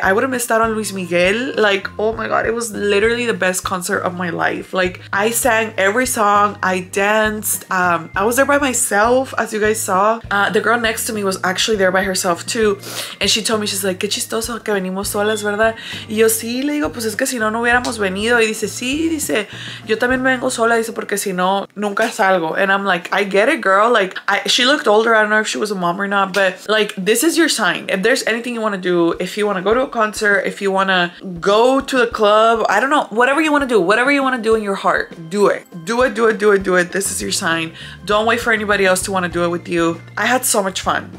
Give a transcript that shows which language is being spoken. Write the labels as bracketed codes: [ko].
[en] I would have missed out on Luis Miguel. Like, oh my God, it was literally the best concert of my life. Like, I sang every song. I danced. I was there by myself, as you guys saw. The girl next to me was actually there by herself too, and she told me, she's like, [es] que chistoso que venimos solas, verdad? Y yo sí, le digo, pues es que si no, no hubiéramos venido. Y dice, sí, dice, yo también me vengo sola, dice, porque si no, nunca salgo. [en] And I'm like, I get it, girl. Like, she looked older. I don't know if she was a mom or not, but like, this is your sign. If there's anything you want to do, if you want to go to a concert, if you want to go to the club, I don't know, whatever you want to do, whatever you want to do in your heart, do it. Do it, do it, do it, do it. This is your sign. Don't wait for anybody else to want to do it with you. I had so much fun.